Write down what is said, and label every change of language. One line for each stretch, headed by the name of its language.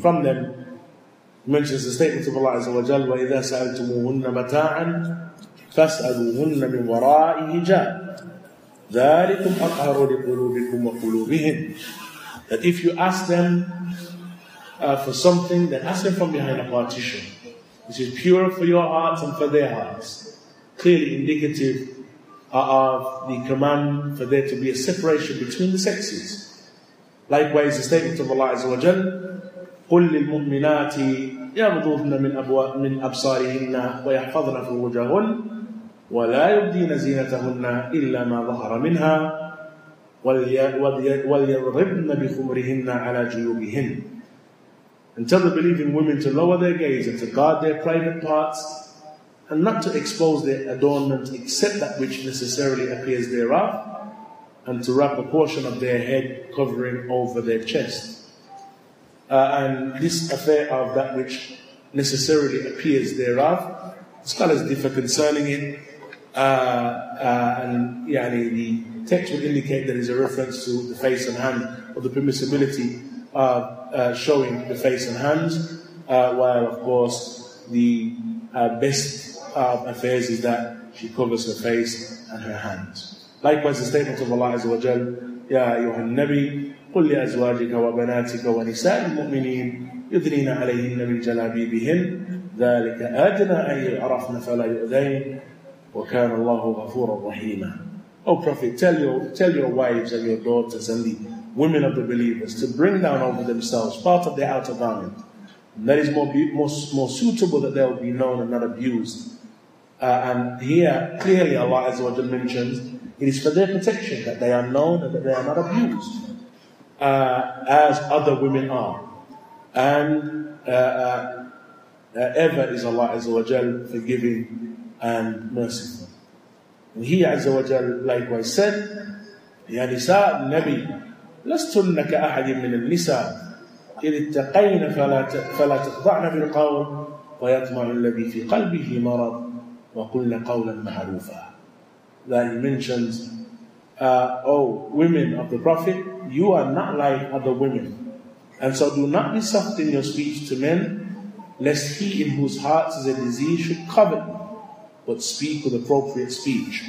English: From them, he mentions the statement of Allah Azza wa Jalla,
Arabic: وَإِذَا سَأَلْتُمُوهُنَّ مَتَاعًا فَاسْأَلُوهُنَّ مِنْ وَرَاءِ حِجَابٍ ذَلِكُمْ أَطْهَرُ لِقُلُوبِكُمْ وَقُلُوبِهِمْ.
English: That if you ask them for something, then ask them from behind a partition, which is pure for your hearts and for their hearts. Clearly indicative of the command for there to be a separation between the sexes. Likewise, the statement of Allah Azza wa Jal,
Arabic: قُلْ لِلْمُؤْمِنَاتِ يَغْضُضْنَ مِنْ مِنْ أَبْصَارِهِنَّ وَيَحْفَظْنَ فُرُوجَهُنَّ وَلَا يُبْدِينَ زِينَتَهُنَّ إِلَّا مَا ظَهَرَ مِنْهَا وَلْيَضْرِبْنَ بِخُمُرِهِنَّ عَلَى جُيُوبِهِنَّ.
English: And tell the believing women to lower their gaze and to guard their private parts and not to expose their adornment except that which necessarily appears thereof, and to wrap a portion of their head covering over their chest. And this affair of that which necessarily appears thereof, scholars differ concerning it. And the text would indicate that it's a reference to the face and hand, or the permissibility of showing the face and hands. While, of course, the best of affairs is that she covers her face and her hands. Likewise, the statement of Allah Azza wa Jal,
Arabic: Ya Ayyuhan Nabi, قُلْ لِأَزْوَاجِكَ وَبَنَاتِكَ وَنِسَاءِ الْمُؤْمِنِينَ يُدْنِينَ عَلَيْهِنَّ مِنْ جَلَابِيبِهِنَّ ذَلِكَ أَدْنَى أَنْ يُعْرَفْنَ فَلَا يُؤْذَيْنَ وَكَانَ اللَّهُ غَفُورًا رَحِيمًا.
English: O Prophet, tell your wives and your daughters and the women of the believers to bring down over themselves part of their outer garment. That is more suitable that they'll be known and not abused. And here, clearly Allah Azza wa Jalla mentions, it is for their protection that they are known and that they are not abused. As other women are. And ever is Allah Azza wa Jal forgiving and merciful. And He Azza wa Jal likewise said,
Arabic: Ya Nisa Nabi, لَسْتُنَّ كَأَحَدٍ مِّنَ النِّسَى إِذِ اتَّقَيْنَ فَلَا تَخْضَعْنَ بِالْقَوْلِ وَيَطْمَعُ الَّذِي فِي قَلْبِهِ مَرَضٌ وَقُلْنَ قَوْلًا مَعْرُوفًا.
English: That He mentions, women of the Prophet, you are not like other women. And so do not be soft in your speech to men, lest he in whose heart is a disease should covet you, but speak with appropriate speech.